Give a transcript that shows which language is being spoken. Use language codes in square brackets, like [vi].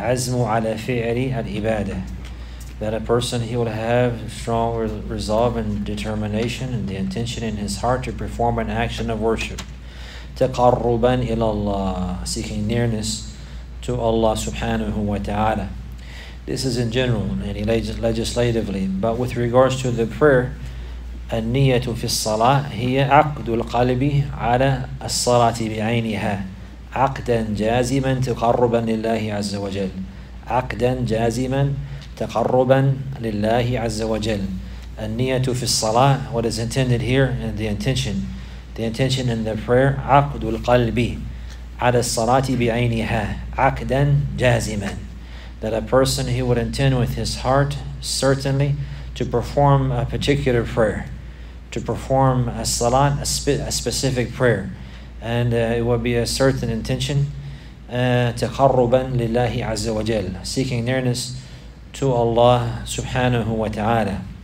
[ar] العزم على فعل العبادة, [en] that a person, he will have strong resolve and determination and the intention in his heart to perform an action of worship. [ar] تَقَرُّبًا إِلَى اللَّهِ, [en] seeking nearness to Allah subhanahu wa ta'ala. This is in general, and legislatively. But with regards to the prayer, [ar] النِّيَّةُ فِي الصَّلَاةِ هِيَ عَقْدُ الْقَلْبِ عَلَى الصَّلَاةِ بِعَيْنِهَا عَقْدًا جَازِمًا تَقَرُّبًا لِلَّهِ عَزَّ وَجَلْ عَقْدًا جَازِمًا تقربا لله عز وجل. النية في الصلاة, [en] what is intended here, and the intention in the prayer, [ar] عقد القلب على الصلاة بعينها عقدا جازما, [en] that a person, he would intend with his heart certainly to perform a particular prayer, to perform a salat, a specific prayer, and it would be a certain intention, [ar] تقربا لله عز وجل, [en] seeking nearness to Allah subhanahu wa ta'ala.